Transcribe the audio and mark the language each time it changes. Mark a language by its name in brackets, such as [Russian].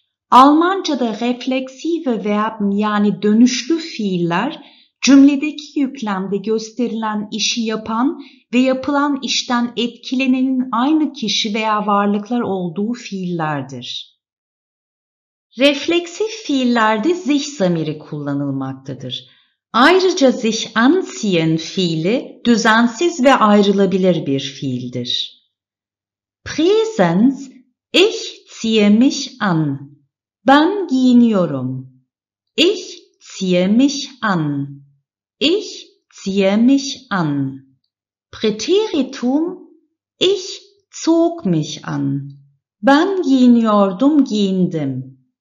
[Turkish] Almanca'da refleksive Verben yani dönüşlü fiiller, cümledeki yüklemde gösterilen işi yapan ve yapılan işten etkilenenin aynı kişi veya varlıklar olduğu fiillerdir. Refleksif fiillerde sich zamiri kullanılmaktadır. Ayrıca sich anziehen fiili düzensiz ve ayrılabilir bir fiildir. [German] Präsens, ich ziehe mich an. [Turkish] Ben giyiniyorum. [German] Ich ziehe mich an. Ich ziehe mich an. Präteritum, ich zog mich an. [Turkish] Ben giyiniyordum, giyindim.